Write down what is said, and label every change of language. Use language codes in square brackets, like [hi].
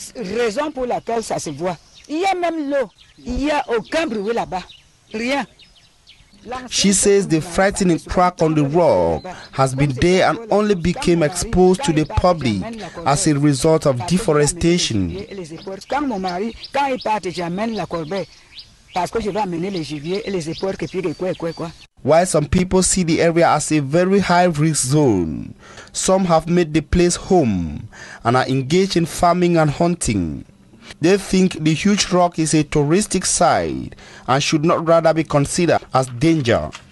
[fr] Raison pour laquelle ça se voit. Il y a même l'eau. Il y a aucun bruit là-bas. Rien. [en] She says the frightening crack on the rock has been there and only became exposed to the public as a result of deforestation. [fr] Quand mon mari, quand il part, j'amène la corbeille parce que je vais amener les gibiers et les éporcs et puis les quoi. [en] While some people see the area as a very high-risk zone, some have made the place home and are engaged in farming and hunting. They think the huge rock is a touristic site and should not rather be considered as danger.